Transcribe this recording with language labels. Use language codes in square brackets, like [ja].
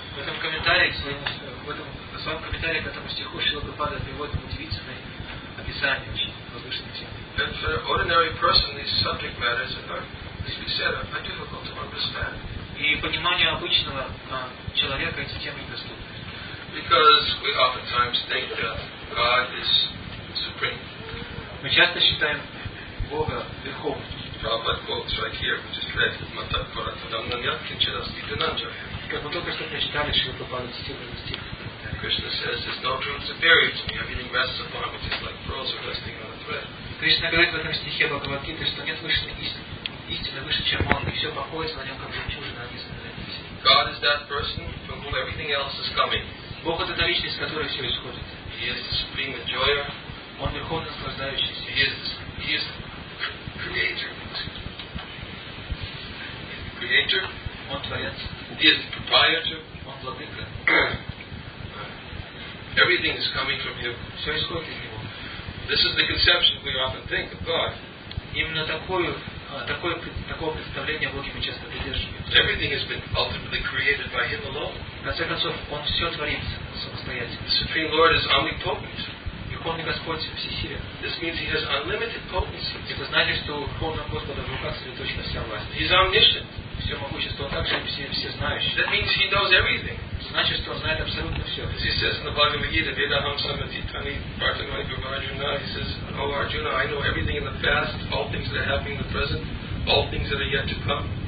[ru] В этом комментарии к этому стиху Шрила Прабхупада приводит удивительное описание очень возвышенной темы. [en] And for an ordinary person, these subject matters are, as we said, are difficult to understand. [ru] И понимание обычного человека эти темы недоступны. [en] Because we oftentimes think that God is supreme. [ru] Мы часто считаем Бога верховным. [en] Prabhupada quotes right here, which is read Krishna says, there's no truth superior to me. Everything rests upon me, just like pearls are resting on a thread. [ru] Krishna говорит в этом стихе Бхагавад Гиты, что нет истины выше, чем он, и все покоится на нем, как жемчужина на истинной нити. [en] God is that person from whom everything else is coming. [ru] Бог это та личность, из которой все исходит. [en] He is the supreme enjoyer. [ru] Он верховный наслаждающийся. [en] He is creator. Creator, [ru] он творец. [en] He is the proprietor, [ru] он владыка. [en] Everything is coming from him. [ru] Все исходит из него. [en] This is the conception we often think of God. [ru] Именно такое представление о Боге мы часто придерживаемся. [en] Everything has been ultimately created by him alone. [ru] В конце концов, он все творит самостоятельно. [en] The Supreme Lord is omnipotent. [ru] Верховный Господь всесилен. [en] This means he has unlimited potency. [ru] Это значит, что Верховного Господа в руках сосредоточена вся власть. [en] He is omniscient. [ru] Все могущество, он также все знающий. [en] That means he knows everything. [ru] Значит, что он знает абсолютно все. [en] As he says in the Bhagavad Gita, [sa] Vedaham Samatitani Bhartamani Bhavarjuna, [en] he says, O Arjuna, I know everything in the past, all things that are happening in the present, all things that are yet to come.